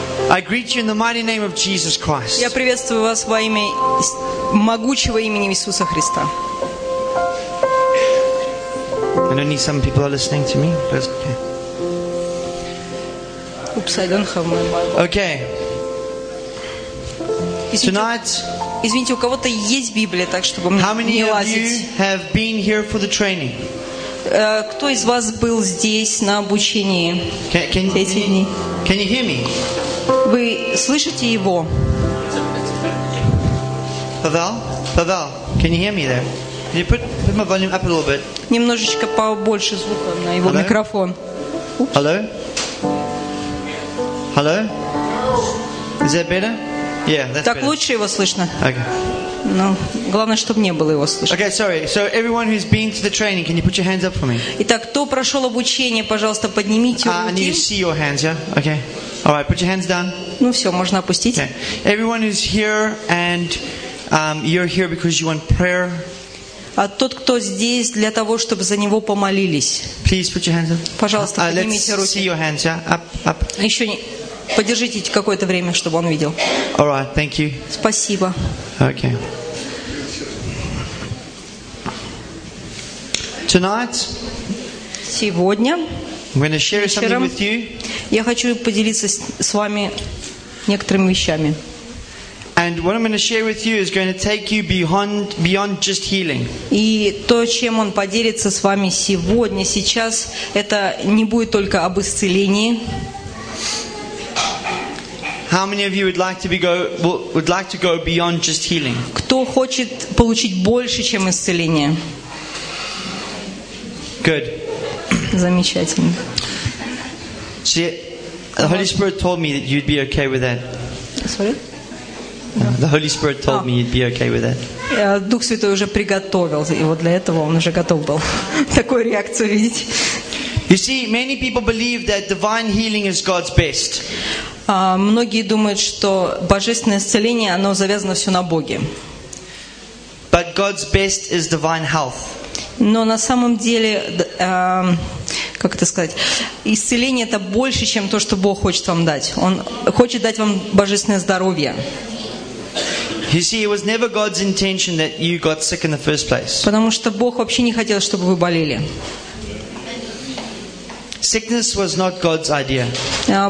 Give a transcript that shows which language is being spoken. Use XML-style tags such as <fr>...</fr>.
<en>I greet you in the mighty name of Jesus Christ.</en> <ru>Я приветствую вас во имя могучего имени Иисуса Христа.</ru> <en>I know some people are listening to me, but it's okay. Oops, I don't have my Bible. Okay. Tonight.</en> <ru>Извините, у кого-то есть Библия, так чтобы мне не лазить.</ru> <en>How many of you have been here for the training?</en> <ru>Кто из вас был здесь на обучении эти дни?</ru> <en>Can you hear me?</en> <ru>Вы слышите его? Павел?</ru> <en>Павел, can you hear me there? Can you put my volume up a little bit?</en> <ru>Немножечко побольше звука на его микрофон.</ru> <en>Hello? Hello? Is that better? Yeah, that's better.</en> <ru>Так лучше его слышно?</ru> <en>Okay.</en> <ru>Ну, главное, чтобы не было его слышно.</ru> <en>Okay, sorry. So everyone who's been to the training, can you put your hands up for me?</en> <ru>Итак, кто прошел обучение, пожалуйста, поднимите руки.</ru> <en>I need to see your hands, yeah? Okay. All right, put your hands down.</en> <ru>Ну все, можно опустить.</ru> <en>Okay. Everyone who's here and you're here because you want prayer.</en> <ru>А тот, кто здесь для того, чтобы за него помолились.</ru> <en>Please put your hands up.</en> <ru>Пожалуйста, поднимите</ru> <en>let's</en> <ru>руки.</ru> <en>Let's see your hands, yeah? Up, up.</en> <ru>Еще не... Подержите какое-то время, чтобы он видел.</ru> <en>All right, thank you.</en> <ru>Спасибо.</ru> <en>Okay. Tonight.</en> <ru>Сегодня.</ru> <en>I'm going to share something with you.</en> <ru>Я хочу поделиться с вами некоторыми вещами.</ru> <en>And what I'm going to share with you is going to take you beyond just healing.</en> <ru>И то, чем он поделится с вами сегодня, сейчас, это не будет только об исцелении.</ru> <en>How many of you would like to go beyond just healing?</en> <ru>Кто хочет получить больше, чем исцеление?</ru> <en>Good.</en> <ru>Замечательно.</ru> <en>See, the Holy Spirit told me that you'd be okay with that. Sorry? The Holy Spirit told me you'd be okay with that.</en> <ru>Дух Святой уже приготовил его для этого, он уже готов был такую реакцию видеть.</ru> <en>You see, many people believe that divine healing is God's best.</en> <ru>Многие думают, что божественное исцеление, оно завязано все на Боге.</ru> <en>But God's best is divine health.</en> <ru>Но на самом деле, как это сказать, исцеление это больше, чем то, что Бог хочет вам дать. Он хочет дать вам божественное здоровье.</ru> <en>You see, it was never God's intention that you got sick in the first place.</en> <ru>Потому что Бог вообще не хотел, чтобы вы болели.</ru> <en>Sickness was not God's idea.</en>